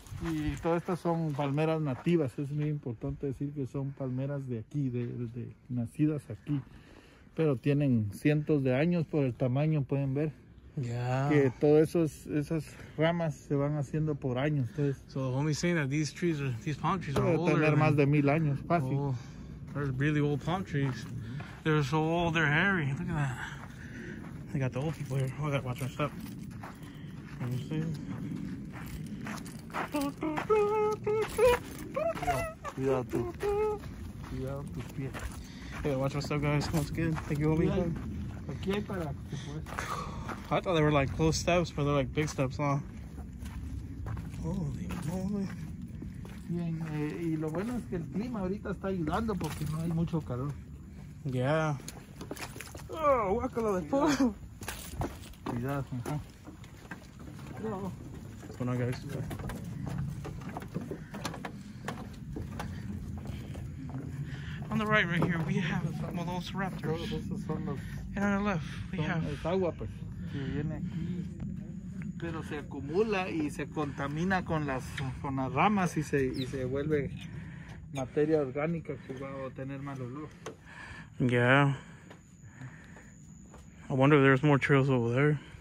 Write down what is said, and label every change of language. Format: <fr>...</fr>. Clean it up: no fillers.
<es>Y todas estas son palmeras nativas. Es muy importante decir que son palmeras de aquí, de nacidas aquí. Pero tienen cientos de años por el tamaño, pueden ver.</es> <en>Yeah.</en> <es>Que todo eso es, esas ramas se van haciendo por años. Entonces,</es> <en>so the homie's saying that these trees are, these palm trees are older.</en> <es>Pueden tener más de 1,000 años, fácil. Oh,</es> <en>they're really old palm trees. They're so old, they're hairy. Look at that. They got the old people here. Oh, I gotta watch my step. Let me see. Hey, watch my step, guys. That's good. Thank you, homie.</en> <es>Aquí hay para que puedes.</es> <en>I thought they were like close steps, but they're like big steps, huh? Holy moly.</en> <es>Bien, y lo bueno es que el clima ahorita está ayudando porque no hay mucho calor. Yeah. Oh, guácala de polvo. Cuidado,</es> <en>huh? No. What's going on, guys? On the right here, we have some of those raptors. And on the left, we have...</en> <es>Está guapo. Que viene aquí, pero se acumula y se contamina con las ramas y se vuelve materia orgánica que va a tener mal olor.</es> <en>Yeah. I wonder if there's more trails over there.</en>